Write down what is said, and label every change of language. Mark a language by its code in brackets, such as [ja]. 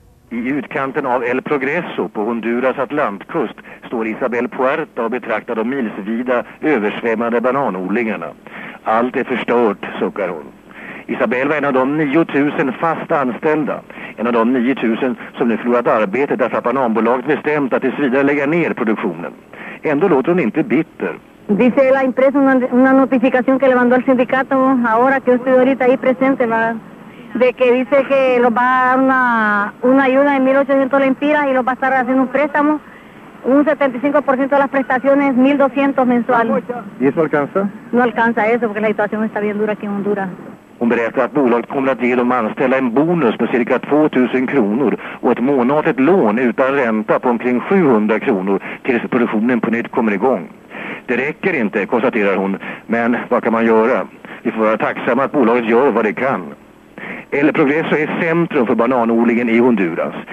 [sv] I utkanten av El Progreso på Honduras atlantkust står Isabel Puerta och betraktar de milsvida översvämmade bananodlingarna. Allt är förstört, suckar hon. Isabel var en av de 9000 fast anställda. En av de 9000 som nu förlorat arbetet därför att bananbolaget bestämt att tillsvidare lägga ner produktionen. Ändå låter hon inte bitter. [es] Dice la empresa una notificación que le mandó al sindicato ahora que usted ahorita ahí presente va. De que dice que los va a dar una ayuda de 1800 lempiras y los va a estar haciendo un préstamo, un 75% de las prestaciones, 1200 mensuales. ¿Y eso alcanza? No alcanza eso porque la situación está bien dura aquí en Honduras. [sv] Hon berättar att bolaget kommer att ge de anställda en bonus på cirka 2000 kronor och ett månatligt lån utan ränta på omkring 700 kronor tills produktionen på nytt kommer igång. Det räcker inte, konstaterar hon, men vad kan man göra? Vi får vara tacksamma att bolaget gör vad det kan. El Progreso är centrum för bananodlingen i Honduras.